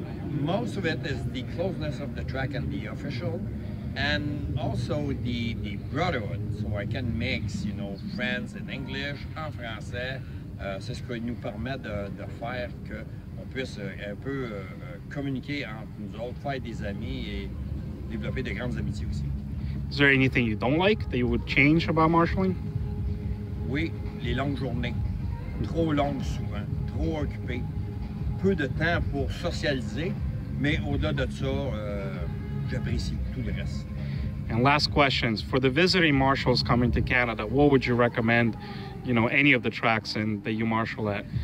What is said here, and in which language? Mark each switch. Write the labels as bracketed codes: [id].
[en] Most of it is the closeness of the track and the official, and also the brotherhood. So I can mix, you know, friends in English, [fr] en français. C'est ce que nous permet de faire que on puisse un peu communiquer entre nous autres, faire des amis et développer de grandes amitiés aussi. [en] Is there anything you don't like that you would change about marshaling? [fr] Oui, les longues journées. Trop longue souvent, trop occupé, peu de temps pour socialiser, mais au-delà de ça, j'apprécie tout le reste. [en] And last questions for the visiting marshals coming to Canada, what would you recommend, you know, any of the tracks and that you marshal at?